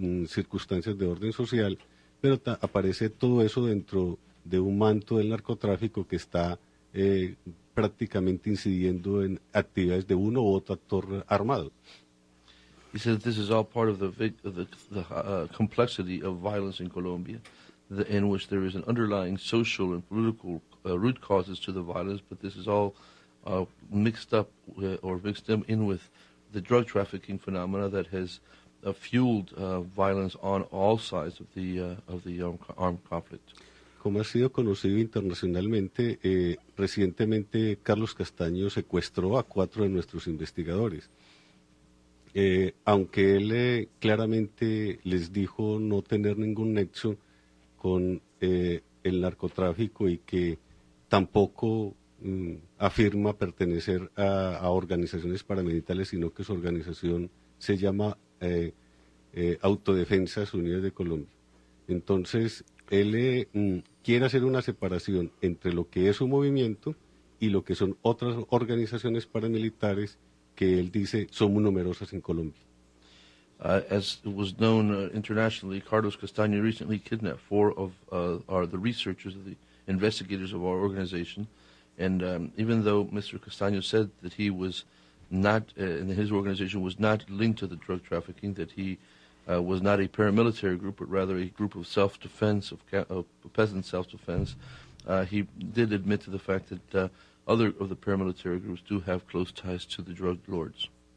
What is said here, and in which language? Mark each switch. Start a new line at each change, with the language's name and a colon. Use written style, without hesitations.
Spanish: circunstancias de orden social, pero aparece todo eso dentro de un manto del narcotráfico que está prácticamente incidiendo en actividades de uno u otro actor armado.
English: He said this is all part of the complexity of violence in Colombia, in which there is an underlying social and political root causes to the violence, but this is all mixed up or mixed in with the drug trafficking phenomena that has fueled violence on all sides of the armed conflict.
Spanish: Como ha sido conocido internacionalmente, recientemente Carlos Castaño secuestró a cuatro de nuestros investigadores. Aunque él claramente les dijo no tener ningún nexo con el narcotráfico y que tampoco afirma pertenecer a organizaciones paramilitares, sino que su organización se llama Autodefensas Unidas de Colombia. Entonces, él quiere hacer una separación entre lo que es su movimiento y lo que son otras organizaciones paramilitares que él dice son muy numerosas en Colombia.
English: As it was known internationally, Carlos Castaño recently kidnapped four of the researchers, the investigators of our organization. And even though Mr. Castaño said that he was not, and that his organization was not linked to the drug trafficking, that he was not a paramilitary group, but rather a group of self-defense, of peasant self-defense, he did admit to the fact that other of the paramilitary groups do have close ties to the drug lords.